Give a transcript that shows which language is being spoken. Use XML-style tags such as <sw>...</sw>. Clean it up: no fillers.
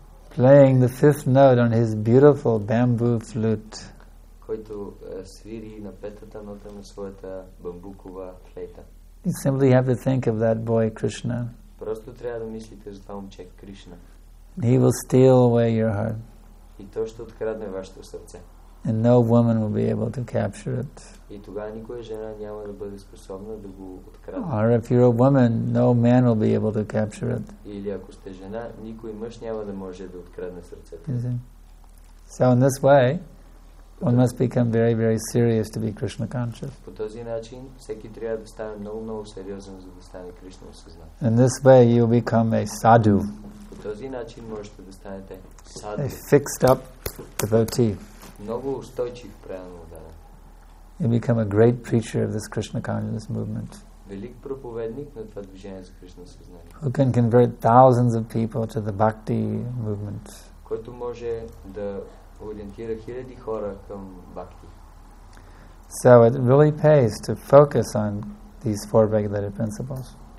<en>Playing the fifth note on his beautiful bamboo flute.</en> <bg>Който свири на петата нота на своята бамбукова флейта.</bg> <en>You simply have to think of that boy Krishna.</en> <bg>Просто трябва да мислите за това момче Кришна.</bg> <en>He will steal away your heart.</en> <bg>И той ще открадне вашето сърце.</bg> <en>And no woman will be able to capture it.</en> <bg>И тогава никоя жена няма да бъде способна да го открадне.</bg> <en>Or if you're a woman, no man will be able to capture it.</en> <bg>Или ако сте жена, никой мъж няма да може да открадне сърцето.</bg> <en>So in this way, one must become very, very serious to be Krishna conscious.</en> <bg>По този начин, всеки трябва да стане много, много сериозен, за да стане Кришна осъзнат.</bg> <en>In this way, you become a sadhu.</en> <bg>По този начин можете да станете sadhu.</bg> <en>A fixed up devotee.</en> <bg>Много устойчив правилно ударен.</bg> <en>You become a great preacher of this Krishna consciousness movement.</en> <bg>Велик проповедник на това движение за Кришна съзнание.</bg> <en>Who can convert thousands of people to the bhakti movement.</en> <bg>Който може да ориентира хиляди хора към бхакти.</bg> <en>So it really pays to focus on these four regulative principles.</en>